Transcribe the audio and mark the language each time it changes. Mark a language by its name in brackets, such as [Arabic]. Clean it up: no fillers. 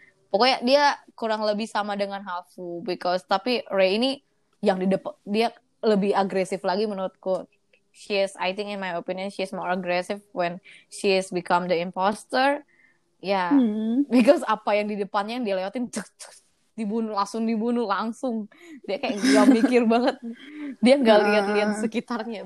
[Indonesian] Pokoknya dia kurang lebih sama dengan Hafu, because tapi Ray ini yang di depan dia lebih agresif lagi menurutku. [English] She is, I think in my opinion, she is more aggressive when she is become the imposter. [Indonesian] Yeah, because apa yang di depannya yang dia lewatin, dibunuh langsung. Dia kayak gak mikir banget. Dia gak lihat sekitarnya.